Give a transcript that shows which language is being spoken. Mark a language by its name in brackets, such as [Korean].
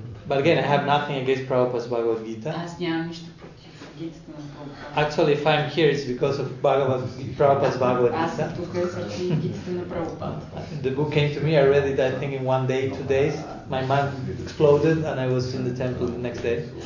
[English] But again, I have nothing against Prabhupada's Bhagavad Gita. [Bulgarian] Аз нямам нищо против Гитата на Прабхупада. [English] Actually, if I'm here, it's because of Prabhupada's Bhagavad Gita. [Bulgarian] Аз съм тук заради Гитата на Прабхупада. [English] The book came to me, I read it, I think, in one day, 2 days. My mind exploded and I was in the temple the next day.